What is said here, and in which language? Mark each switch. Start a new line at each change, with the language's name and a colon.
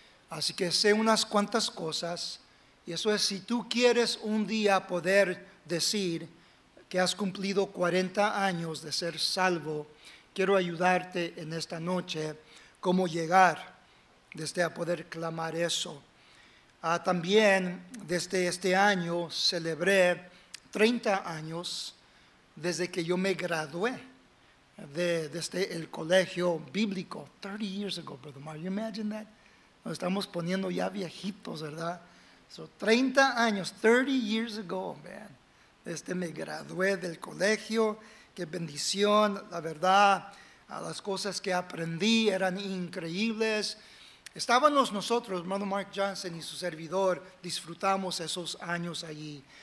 Spanish: Así que sé unas cuantas cosas. Y eso es, si tú quieres un día poder decir que has cumplido 40 años de ser salvo, quiero ayudarte en esta noche cómo llegar desde a poder clamar eso. También desde este año celebré 30 años desde que yo me gradué desde el colegio bíblico.
English: 30 years ago, Brother Mark, you imagine that?
Spanish: Nos estamos poniendo ya viejitos, ¿verdad? So, 30 años,
English: 30 years ago, man.
Spanish: Desde me gradué del colegio. Qué bendición, la verdad, las cosas que aprendí eran increíbles. Estábamos nosotros, hermano Mark Johnson y su servidor, disfrutamos esos años allí.